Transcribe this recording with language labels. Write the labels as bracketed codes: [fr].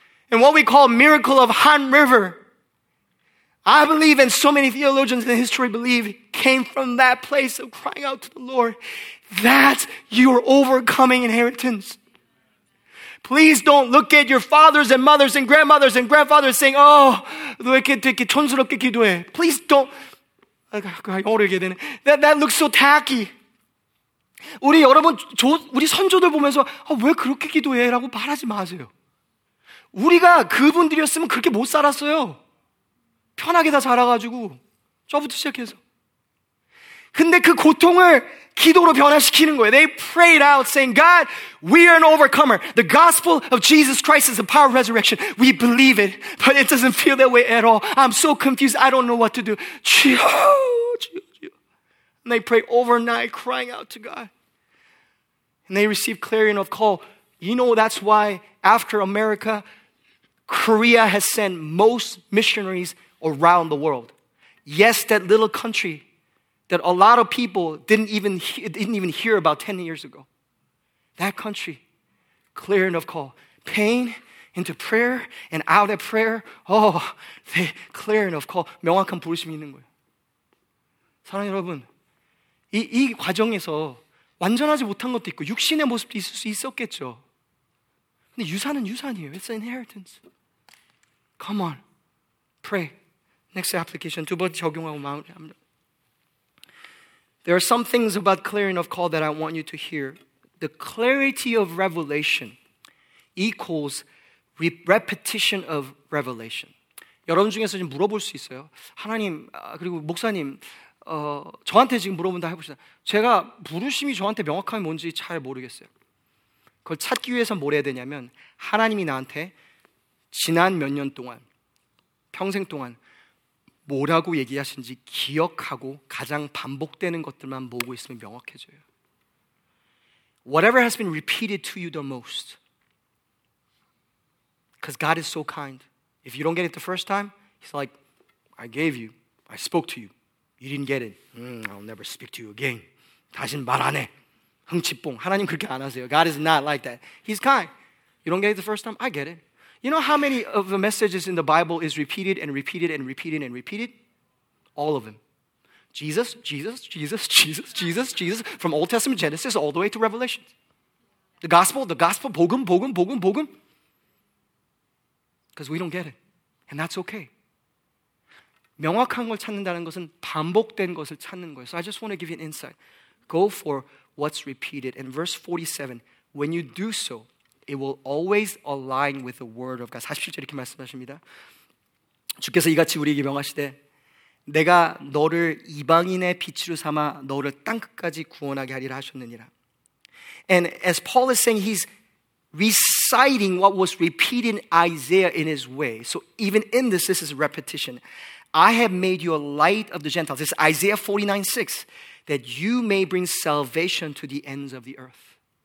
[en] And what we call miracle of Han River, I believe, and so many theologians in history believe, came from that place of crying out to the Lord, that's your overcoming inheritance. Please don't look at your fathers and mothers and grandmothers and grandfathers saying, oh, [ko] 왜 이렇게 촌스럽게 기도해? [en] Please don't. [ko] 어려게 되네. [en] That looks so tacky. [ko] 우리 여러분, 우리 선조들 보면서 왜 그렇게 기도해? 라고 말하지 마세요. 우리가 그분들이었으면 그렇게 못 살았어요. 편하게 다 자라가지고 저부터 시작해서. 근데 그 고통을 기도로 변화시키는 거예요. [en] They prayed out saying, God, we are an overcomer. The gospel of Jesus Christ is the power of resurrection. We believe it, but it doesn't feel that way at all. I'm so confused. I don't know what to do. [ko] 주여, 주여, 주여. [en] And they pray overnight, crying out to God. And they receive clarion of call. You know, that's why after America, Korea has sent most missionaries around the world. Yes, that little country that a lot of people didn't even hear about 10 years ago. That country, clearing of call. Pain into prayer and out of prayer. Oh, they clearing of call. [ko] 명확한 부르심이 있는 거예요. 사랑 여러분, 이 과정에서 완전하지 못한 것도 있고 육신의 모습도 있을 수 있었겠죠. 근데 유산은 유산이에요. [en] It's an inheritance. Come on, pray. Next application. [ko] 두 번째 적용하고 마무리합니다. [en] There are some things about clarion of call that I want you to hear. The clarity of revelation equals repetition of revelation. [ko] 여러분 중에서 지금 물어볼 수 있어요. 하나님, 그리고 목사님, 저한테 지금 물어본다 해봅시다. 제가 부르심이 저한테 명확하게 뭔지 잘 모르겠어요. 그걸 찾기 위해서 뭘 해야 되냐면 하나님이 나한테 지난 몇 년 동안, 평생 동안 뭐라고 얘기하신지 기억하고 가장 반복되는 것들만 모으고 있으면 명확해져요. [en] Whatever has been repeated to you the most. Because God is so kind. If you don't get it the first time, He's like, I gave you. I spoke to you. You didn't get it. I'll never speak to you again. [ko] 다신 말 안 해. 흥칫뽕. 하나님 그렇게 안 하세요. [en] God is not like that. He's kind. You don't get it the first time, I get it. You know how many of the messages in the Bible is repeated and repeated and repeated and repeated? All of them. Jesus, Jesus, Jesus, Jesus, Jesus, Jesus, from Old Testament Genesis all the way to Revelation. The gospel, [ko] 복음, 복음, 복음, 복음. [en] Because we don't get it. And that's okay. [ko] 명확한 걸 찾는다는 것은 반복된 것을 찾는 거예요. [en] So I just want to give you an insight. Go for what's repeated. In verse 47, when you do so, it will always align with the word of God. [ko] 47절 이렇게 말씀하십니다. 주께서 이같이 우리에게 명하시되 내가 너를 이방인의 빛으로 삼아 너를 땅끝까지 구원하게 하리라 하셨느니라. [en] And as Paul is saying, he's reciting what was repeated in Isaiah in his way. So even in this, this is repetition. I have made you a light of the Gentiles. This is Isaiah 49:6, that you may bring salvation to the ends of the earth.